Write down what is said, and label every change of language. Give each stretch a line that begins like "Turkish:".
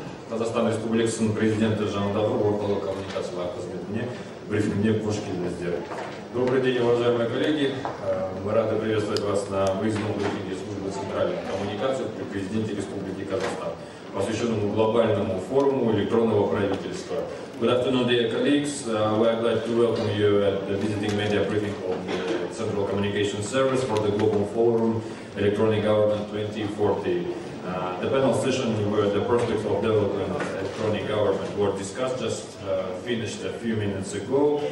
Kazakh: Қазақстан Республикасының президенті жанындағы орталық коммуникациялар қызметіне брифингіне қош келдіңіздер.
Russian: Добрый день, уважаемые коллеги. Мы рады приветствовать вас на выездном брифинге службы центральных коммуникаций при президенте Республики Казахстан, посвященному глобальному форуму электронного правительства.
English: Good afternoon, dear colleagues. We are glad to welcome you at the visiting media briefing of the Central Communication Service for the Global Forum Electronic Government 2040. The panel session where the prospects of development of electronic government were discussed just finished a few minutes ago.